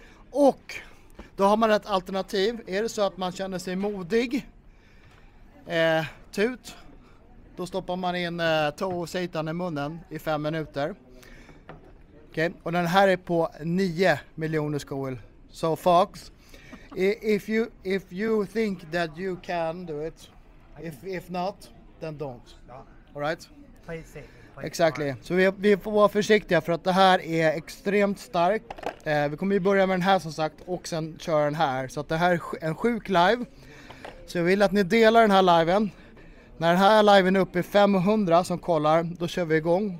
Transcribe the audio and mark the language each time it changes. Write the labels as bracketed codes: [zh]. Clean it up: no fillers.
[sv] Och då har man ett alternativ. Är det så att man känner sig modig, tut, då stoppar man in Satan i munnen i 5 minuter. Okay. Och den här är på 9 miljoner Scoville. [en] So Fox, if you think that you can do it, if not, then don't. All right? Play it safe. Exactly. [sv] Så vi får vara försiktiga, för att det här är extremt starkt. Vi kommer ju börja med den här som sagt och sen köra den här. Så att det här är en sjuk live. Så jag vill att ni delar den här liven. När den här liven är uppe i 500 som kollar, då kör vi igång.